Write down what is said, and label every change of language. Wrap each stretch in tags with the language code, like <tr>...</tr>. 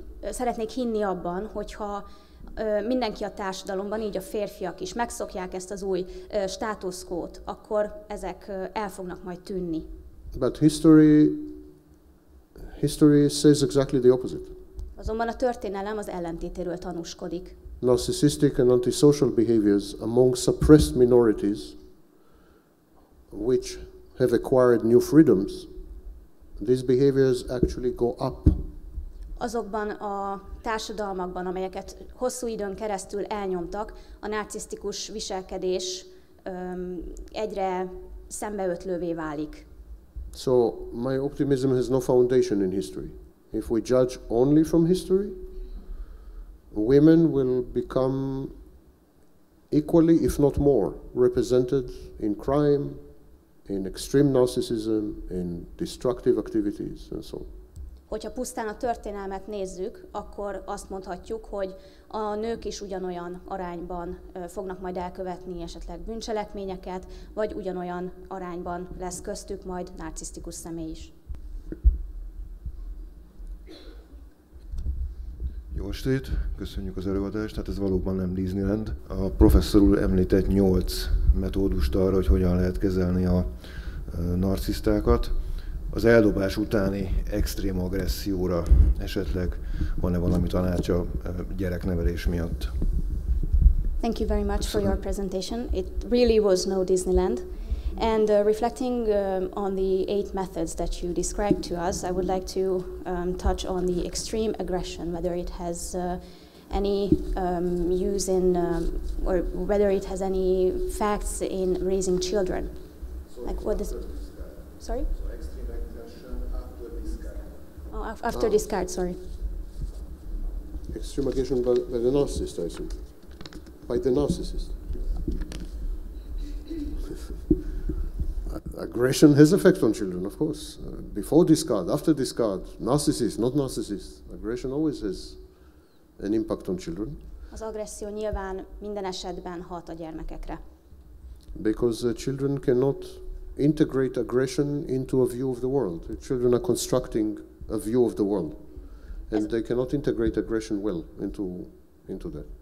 <hu>Szeretnék hinni abban, hogyha mindenki a társadalomban, így a férfiak is megszokják ezt az új status quo-t, akkor ezek el fognak majd tűnni.</hu> <en>But history says exactly the opposite.</en> <hu>Azonban a történelem az ellentétéről tanúskodik.</hu> <en>Narcissistic and antisocial behaviors among suppressed minorities, which have acquired new freedoms, these behaviors actually go up.</en> <hu>Azokban a társadalmakban, amelyeket hosszú időn keresztül elnyomtak, a narcisztikus viselkedés egyre szembeötlővé válik.</hu> <en>So my optimism has no foundation in history. If we judge only from history, women will become equally, if not more, represented in crime, in extreme narcissism, in destructive activities, and so on.</en> <hu>Hogyha pusztán a történelmet nézzük, akkor azt mondhatjuk, hogy a nők is ugyanolyan arányban fognak majd elkövetni esetleg bűncselekményeket, vagy ugyanolyan arányban lesz köztük majd narcisztikus személy is. Jó estét, köszönjük az előadást, hát ez valóban nem Disneyland. A professzor úr említett 8 metódust arra, hogy hogyan lehet kezelni a narcisztákat. Az eldobás utáni extrém agresszióra esetleg van-e valami tanácsa gyereknevelés miatt?</hu> <en>Thank you very much for your presentation. It really was no Disneyland. And reflecting on the 8 methods that you described to us, I would like to touch on the extreme aggression, whether it has any use in, or whether it has any facts in raising children. Like what is? Sorry. So extreme aggression after discard. Oh, after discard. Sorry. Extreme aggression by the narcissist, I think. By the narcissist. Aggression has effect on children, of course. Before discard, after discard, narcissist, not narcissist. Aggression always has an impact on children.</en> <hu>Az agresszió nyilván minden esetben hat a gyermekekre.</hu> <en>Because children cannot integrate aggression into a view of the world. Children are constructing a view of the world. And they cannot integrate aggression well into that.</en>